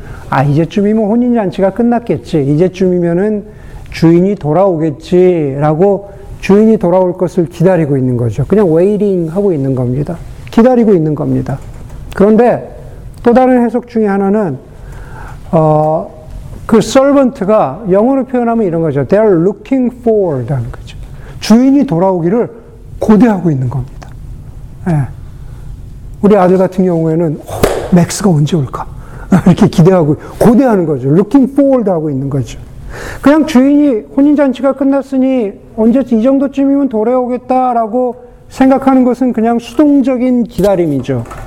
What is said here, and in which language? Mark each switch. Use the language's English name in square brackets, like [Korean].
[Korean] 아, 이제쯤이면 혼인잔치가 끝났겠지. 이제쯤이면은 주인이 돌아오겠지라고 주인이 돌아올 것을 기다리고 있는 거죠. 그냥 웨이팅 하고 있는 겁니다. 기다리고 있는 겁니다. 그런데 또 다른 해석 중에 하나는 그 서번트가 영어로 표현하면 이런 거죠. [English] They are looking forward [Korean] 하는 거죠. 주인이 돌아오기를 고대하고 있는 겁니다. 예. 우리 아들 같은 경우에는 맥스가 언제 올까? 이렇게 기대하고 고대하는 거죠. [English] Looking forward [Korean] 하고 있는 거죠. 그냥 주인이 혼인잔치가 끝났으니 언제 이 정도쯤이면 돌아오겠다라고 생각하는 것은 그냥 수동적인 기다림이죠.